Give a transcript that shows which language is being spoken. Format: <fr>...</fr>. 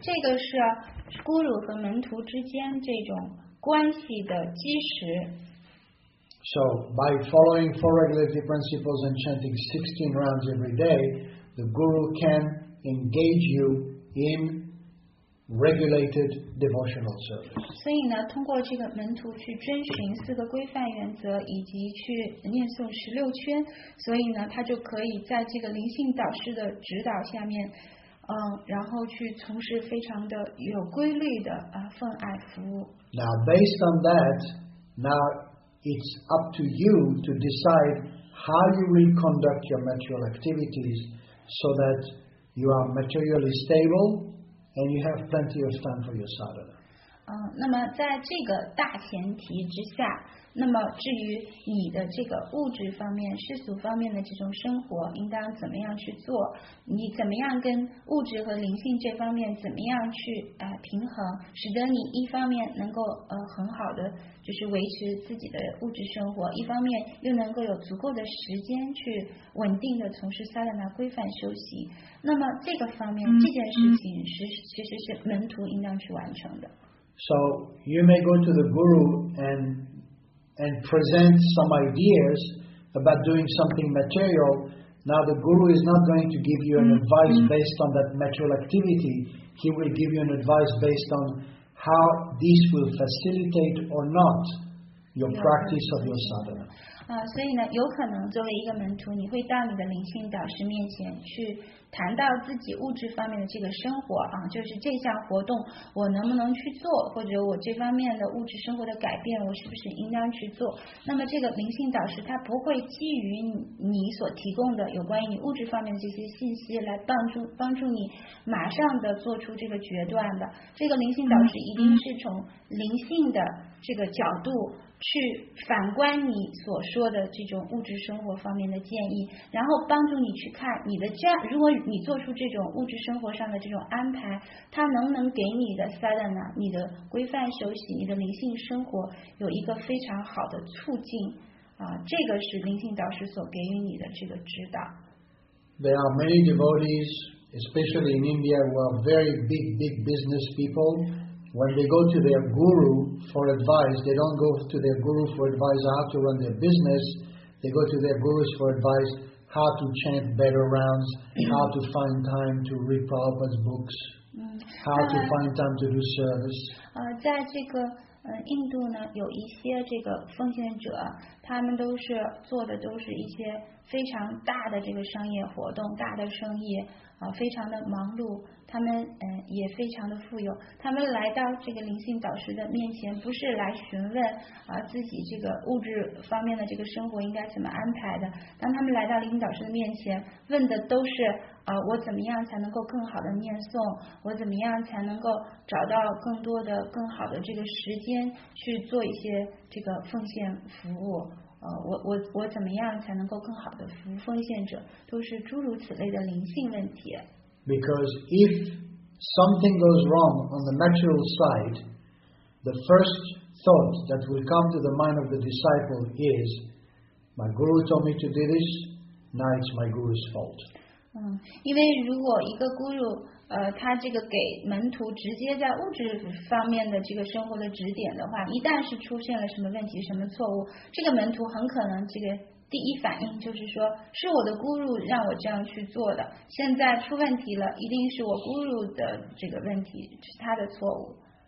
<zh>这个是 guru 和门徒之间这种关系的基石。</zh> <en>So by following four regulatory principles and chanting 16 rounds every day, the guru can engage you in regulated devotional service.</en> <zh>所以呢，通过这个门徒去遵循四个规范原则，以及去念诵十六圈，所以呢，他就可以在这个灵性导师的指导下面，然后去从事非常的有规律的奉爱服务。</zh> <en>Now based on that, now it's up to you to decide how you will conduct your material activities so that you are materially stable. And you have plenty of time for your sadhana.</en> <zh>那么在这个大前提之下，那么至于你的这个物质方面、世俗方面的这种生活，应当怎么样去做？你怎么样跟物质和灵性这方面怎么样去平衡，使得你一方面能够很好的就是维持自己的物质生活，一方面又能够有足够的时间去稳定的从事萨拉纳规范修习。那么这个方面这件事情其实是门徒应当去完成的。</zh> <en>So you may go to the guru and present some ideas about doing something material. Now the guru is not going to give you an advice based on that material activity. He will give you an advice based on how this will facilitate or not your practice of your sadhana.</en> <zh>所以呢，有可能作为一个门徒，你会到你的灵性导师面前去谈到自己物质方面的这个生活就是这项活动我能不能去做，或者我这方面的物质生活的改变我是不是应当去做。那么这个灵性导师他不会基于你所提供的有关于你物质方面的这些信息来帮助你马上的做出这个决断的。这个灵性导师一定是从灵性的这个角度去反观你所说的这种物质生活方面的建议，然后帮助你去看你的这样，如果你做出这种物质生活上的这种安排，它能不能给你的 sadhana， 你的规范修习，你的灵性生活有一个非常好的促进啊？这个是灵性导师所给予你的这个指导。</zh> <en>There are many devotees, especially in India, who are very big business people. When they go to their guru for advice, they don't go to their guru for advice how to run their business. They go to their gurus for advice how to chant better rounds, how to find time to read Prabhupada's books, how to find time to do service.</en> <zh>在这个印度呢，有一些这个奉献者，他们都是做的都是一些非常大的这个商业活动，大的生意非常的忙碌，他们也非常的富有。他们来到这个灵性导师的面前，不是来询问自己这个物质方面的这个生活应该怎么安排的。当他们来到灵性导师的面前，问的都是我怎么样才能够更好的念诵，我怎么样才能够找到更多的更好的这个时间去做一些这个奉献服务。我怎么样才能够更好的服务奉献者，都是诸如此类的灵性问题。</zh> <en>Because if something goes wrong on the material side, the first thought that will come to the mind of the disciple is, my guru told me to do this, now it's my guru's fault.</en> <zh>因为如果一个 guru, 他这个给门徒直接在物质方面的这个生活的指点的话，一旦是出现了什么问题、什么错误，这个门徒很可能这个第一反应就是说，是我的 guru 让我这样去做的，现在出问题了，一定是我 guru 的这个问题，是他的错误。</zh>